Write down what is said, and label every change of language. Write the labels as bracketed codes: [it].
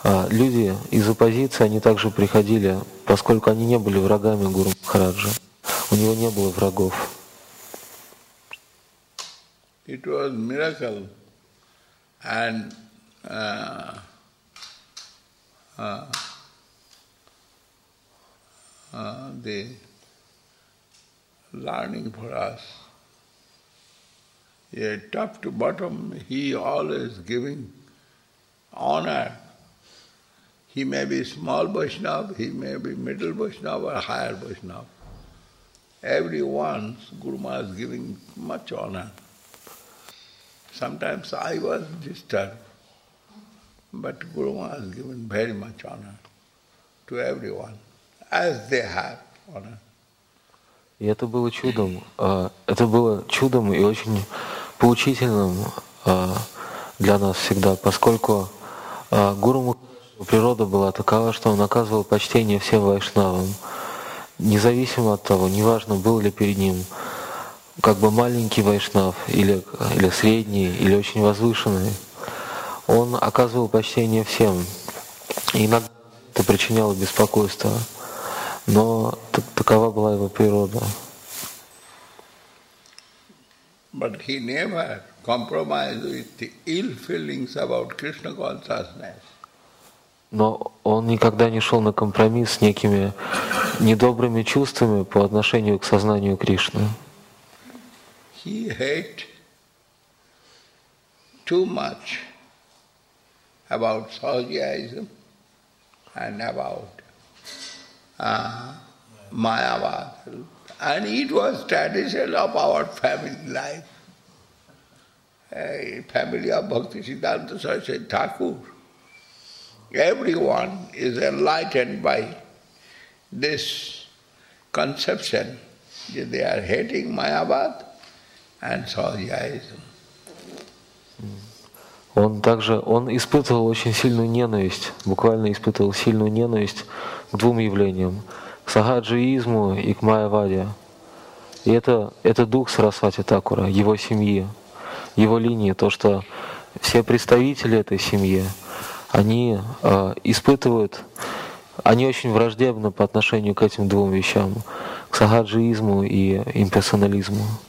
[ru] Люди из оппозиции, они также приходили, поскольку они не были врагами Гуру Махараджа. У него не было врагов. [en] It was a miracle, and the learning for us, yeah, top to bottom, he always giving honor. He may be small Vaishnava, he may be middle Vaishnava or higher Vaishnava. Everyone, Guru Maharaj is giving much honor. Sometimes I was disturbed, but Guru Maharaj has given very much honor to everyone, as they have honor. [ru] И это было чудом. Это было чудом и очень поучительным для нас всегда, поскольку Гуру Махараджа природа была такова, что он оказывал почтение всем вайшнавам, независимо от того, неважно, был ли перед ним как бы маленький вайшнав, или средний, или очень возвышенный, он оказывал почтение всем. И иногда это причиняло беспокойство, но такова была его природа. [en] But he never compromised with the ill feelings about Krishna consciousness. [ru] Но он никогда не шел на компромисс с некими недобрыми чувствами по отношению к сознанию Кришны. [en] He hate too much about Sahajism and about Mayavad. And it was tradition of our family life. Family of Bhakti Siddhanta Saraswati Thakur. Everyone is enlightened by this conception that they are hating Mayavad and Sahajism. [ru] Он также, он испытывал очень сильную ненависть, буквально испытывал сильную ненависть к двум явлениям, к сахаджиизму и к майаваде. И это дух Сарасвати Такура, его семьи, его линии, то, что все представители этой семьи, они испытывают, они очень враждебны по отношению к этим двум вещам, к сахаджиизму и имперсонализму.